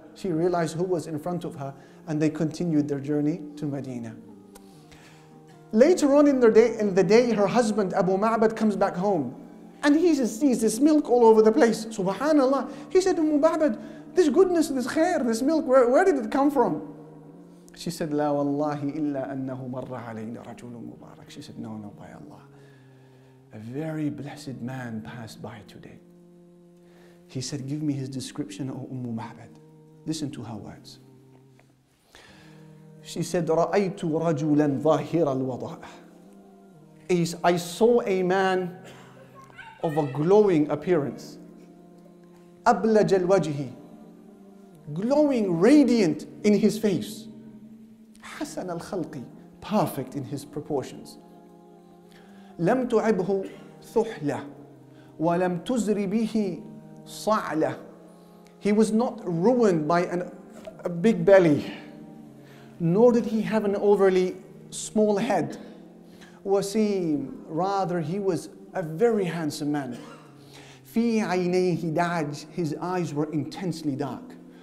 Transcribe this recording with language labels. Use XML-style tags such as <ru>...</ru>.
<en>She realized who was in front of her. And they continued their journey to Medina. Later on in the day, her husband Abu Ma'bad comes back home. And he sees this milk all over the place. Subhanallah. He said, Abu Ma'bad, this goodness, this khair, this milk, where did it come from? She said,</en> <ar>لا والله إلا أنه مر علينا رجل مبارك.</ar> <en>She said, no, by Allah. A very blessed man passed by today. He said, give me his description, O Ummu Ma'bad. Listen to her words. She said,</en> <ar>رأيت رجلا ظاهر الوضاء.</ar> <en>I saw a man of a glowing appearance.</en> <ar>أبلج الوجه.</ar> <en>Glowing, radiant in his face.</en> <ar>حسن الخلق,</ar> <en>perfect in his proportions.</en> <ar>لم تعبه ثحلة ولم تزر به صعلة.</ar> <en>He was not ruined by a big belly, nor did he have an overly small head. وسيم, rather he was a very handsome man.</en> <ar>في عينيه دعج,</ar> <en>his eyes were intensely dark.</en>